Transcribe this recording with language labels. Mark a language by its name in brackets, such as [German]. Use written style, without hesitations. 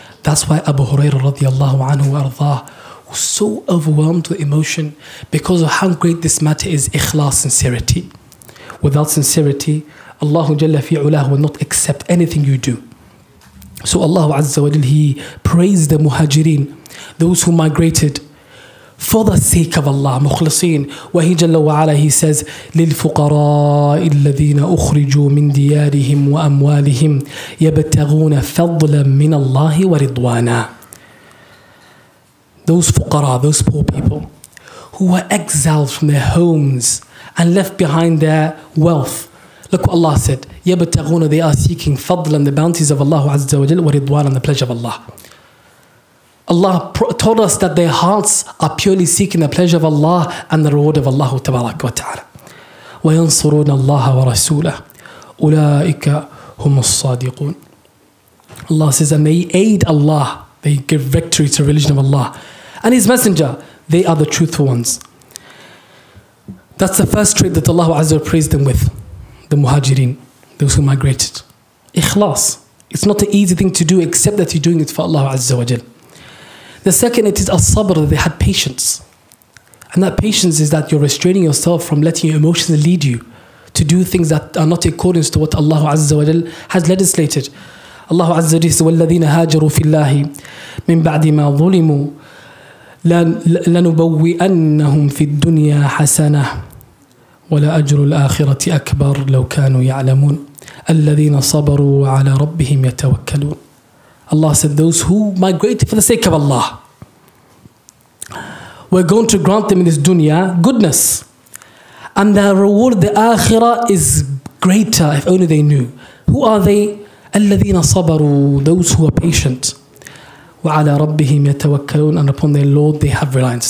[English] That's why Abu Hurairah radiallahu anhu wa ardhah was so overwhelmed with emotion because of how great this matter is, ikhlas, sincerity. Without sincerity, Allah Jalla fi'ulah will not accept anything you do. So Allah Azza wa Jal, He praised the muhajirin, those who migrated for the sake of Allah, mukhlasin. Wa hi Jalla wa Ala, He says, [Arabic] لِلْفُقَرَاءِ الَّذِينَ أُخْرِجُوا مِنْ دِيَارِهِمْ وَأَمْوَالِهِمْ يَبْتَغُونَ فَضْلًا مِنَ اللَّهِ وَرِضْوَانًا. [English] Those fuqara, those poor people who were exiled from their homes and left behind their wealth. Look what Allah said. [Arabic] يَبْتَغُونَ, [English] they are seeking [Arabic] فَضْلًا, [English] the bounties of Allah Azza wa Jal, [Arabic] وَرِضْوَانًا, [English] the pleasure of Allah. Allah told us that their hearts are purely seeking the pleasure of Allah and the reward of Allah Tabarak wa Ta'ala. [Arabic] وَيَنْصُرُونَ اللَّهَ وَرَسُولَهُ أُولَٰئِكَ هُمُ الصَّادِقُونَ. [English] Allah says, and they aid Allah, they give victory to the religion of Allah and His Messenger, they are the truthful ones. That's the first trait that Allah Azza wa praised them with, the muhajirin, those who migrated. Ikhlas, it's not an easy thing to do except that you're doing it for Allah Azza wa Jal. The second, it is al-sabr, that they had patience. And that patience is that you're restraining yourself from letting your emotions lead you to do things that are not according to what Allah Azza wa Jal has legislated. Allah Azza wa Jal says, [Arabic] وَالَّذِينَ هَاجَرُوا فِي اللَّهِ مِنْ بَعْدِ مَا ظُلِمُوا لَنُبَوِّئَنَّهُمْ فِي الدُّنْيَا حَسَنَةً وَلَأَجْرُ الْآخِرَةِ أَكْبَرُ لَوْ كَانُوا يَعْلَمُونَ الَّذِينَ صَبَرُوا عَلَى رَبِّهِمْ يَتَوَكَّلُونَ. [English] Allah said, those who migrated for the sake of Allah, we're going to grant them in this dunya goodness. And their reward, the akhirah, is greater, if only they knew. Who are they? [Arabic] الَّذِينَ صَبَرُوا, [English] those who are patient. [Arabic] وَعَلَى رَبِّهِمْ يَتَوَكَّلُونَ, [English] and upon their Lord they have reliance.